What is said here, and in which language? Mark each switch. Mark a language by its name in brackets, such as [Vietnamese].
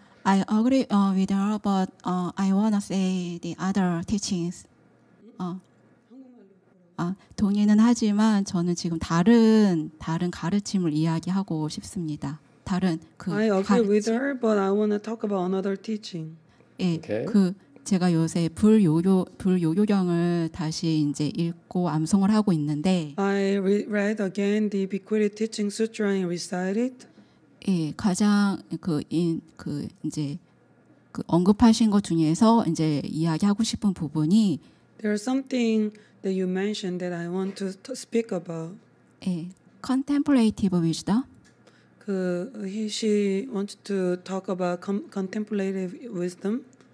[English] I agree with her, but I want to say the other teachings. [Korean] 동의는 하지만 저는 지금 다른 가르침을 이야기하고 싶습니다. 다른 그 [English] I agree [Korean] 가르침. [English] With her, but I want to talk about another teaching. [Korean] 예, okay. 그 제가 요새 불요요경을 다시 이제 읽고 암송을 하고 있는데 [English] I read again the Bequeathed Teaching Sutra and recite it. [Korean] 예, 가장 그 이제 그 언급하신 것 중에서 이제 이야기하고 싶은 부분이 [English] There is something that you mentioned that I want to speak about. 예, contemplative wisdom. 그 he she wants to talk about contemplative wisdom.